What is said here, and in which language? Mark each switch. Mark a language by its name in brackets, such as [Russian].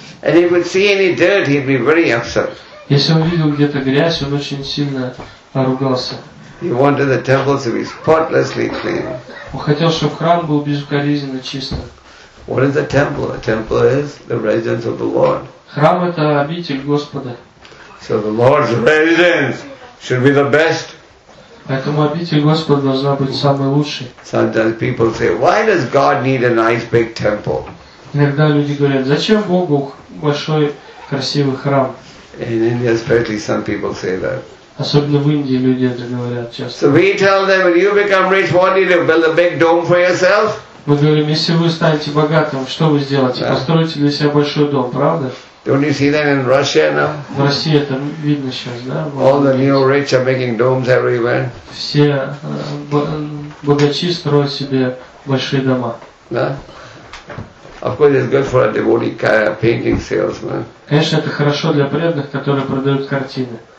[English] And if he would see any dirt, he'd be very upset. [Russian] Если он видел где-то грязь, он очень сильно поругался. [English] He wanted the temples to be spotlessly clean. [Russian] Он хотел, чтобы храм был безукоризненно чистым. [English] What is a temple? A temple is the residence of the Lord. [Russian] Храм — это обитель Господа. [English] So the Lord's residence should be the best. [Russian] Поэтому обитель Господа должна быть самой лучшей. [English] Sometimes people say, why does God need a nice big temple? [Russian] Иногда люди говорят, зачем Богу большой красивый храм? [English] In India especially some people say that. [Russian] Особенно в Индии люди это говорят часто. [English] So we tell them, when you become rich, what do you build a big dome for yourself? [Russian] Мы говорим, если вы станете богатым, что вы сделаете? Построите для себя большой дом, правда? [English] Don't you see that in Russia now? [Russian] В России это видно сейчас, да? [English] All the new rich are making domes everywhere. [Russian] Все богачи строят себе большие дома. Да? [English] Of course, it's good for a devotee painting salesman. [Russian] Конечно, это хорошо для преданных, которые продают картины.